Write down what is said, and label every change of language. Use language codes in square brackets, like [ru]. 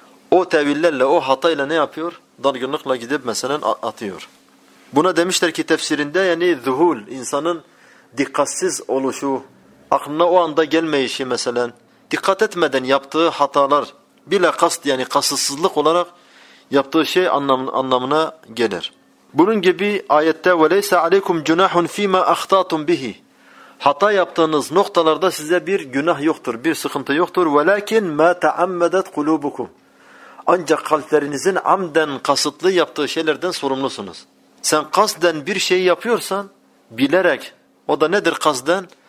[tr] O tevillerle, o hatayla ne yapıyor? Dalgınlıkla gidip mesela atıyor. Buna demişler ki tefsirinde, yani zuhul, insanın dikkatsiz oluşu, aklına o anda gelmeyişi mesela, dikkat etmeden yaptığı hatalar bile kast, yani kasıtsızlık olarak yaptığı şey anlamına gelir. Bunun gibi ayette [ar] وَلَيْسَ عَلَيْكُمْ جُنَاحٌ فِي مَا أَخْتَاتٌ بِهِ. [tr] Hata yaptığınız noktalarda size bir günah yoktur, bir sıkıntı yoktur. [ar] وَلَكِنْ مَا تَعَمَّدَتْ قُلُوبُكُمْ. [tr] Ancak kalplerinizin amden kasıtlı yaptığı şeylerden sorumlusunuz. Sen kasten bir şey yapıyorsan bilerek, o da nedir kasten?